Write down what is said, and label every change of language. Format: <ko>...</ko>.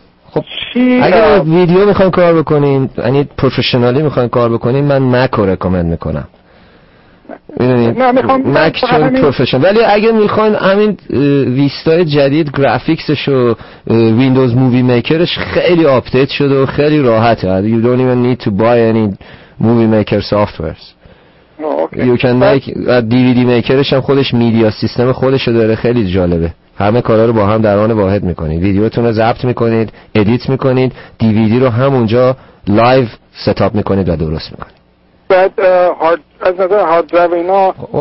<fa>خب اگر ویدیو میخواین کار بکنین، یعنی پروفشنالی میخواین کار بکنین، من مک رو رکامند میکنم. میدونین مک چون پروفشنال، ولی اگر میخواین همین ویستای جدید گرافیکسش و ویندوز مووی میکرش خیلی آپدیت شده و خیلی راحته.</fa> <en>You don't even need to buy any movie maker softwares. You can make DVD</en> <fa>میکرش هم خودش میدیا سیستم خودش رو داره، خیلی جالبه. همه کارا رو با هم در آن واحد میکنید، ویدیوتون رو ضبط میکنید، ادیت میکنید، دی وی دی رو همونجا لایو ستاپ میکنید و درست میکنید. بعد از نظر هارد درایو اینا</fa>